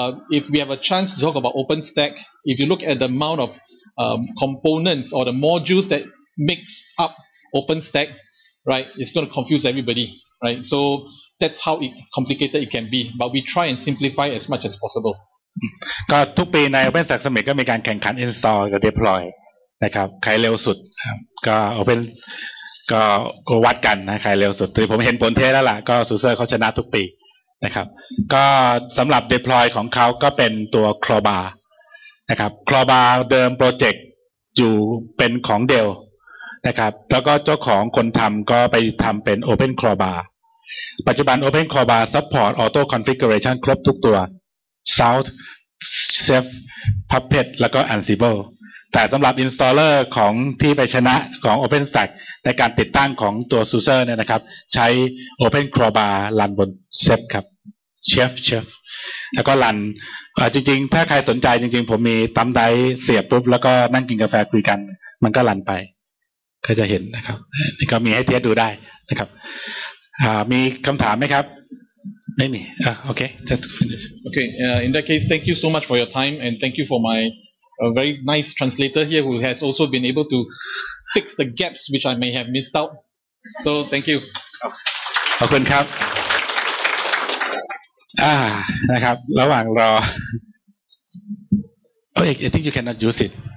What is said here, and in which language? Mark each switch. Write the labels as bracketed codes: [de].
[en] If we have a chance to talk about OpenStack, if you look at the amount of components or the modules that makes up OpenStack, right, it's going to confuse everybody, right? So that's how complicated it can be. But we try and simplify as much as possible. [th] ก็ทุกปีใน OpenStack Summit ก็มีการแข่งขัน install กับ deploy นะครับใครเร็วสุดก็ Open ก็วัดกันนะใครเร็วสุดที่ผมเห็นผลเทสแล้วล่ะก็ SUSE เขาชนะทุกปีนะครับก็สำหรับ deploy ของเขาก็เป็นตัว Clawbar นะครับ Clawbar เดิมโปรเจกต์อยู่เป็นของ Dell นะครับแล้วก็เจ้าของคนทำก็ไปทำเป็น Open Crowbar ปัจจุบัน Open Crowbar Support Auto Configuration ครบทุกตัว Sound Chef Puppet แล้วก็ Ansible แต่สำหรับ Installer ของที่ไปชนะของ OpenStack ในการติดตั้งของตัว SUSE เนี่ยนะครับใช้ Open Crowbar รันบน Chef ครับ Chef แล้วก็รันจริงๆถ้าใครสนใจจริงๆผมมีตั้มไดเสียบปุ๊บแล้วก็นั่งกินกาแฟคุยกันมันก็รันไปก็จะเห็นนะครับนี่ก็มีให้เทสดูได้นะครับมีคำถามไหมครับไม่มีโอเค [en] just finish okay in that case thank you so much for your time and thank you for my very nice translator here who has also been able to fix the gaps which I may have missed out so thank you [th] ขอบคุณครับนะครับระหว่างรอ [en] oh I think you cannot use it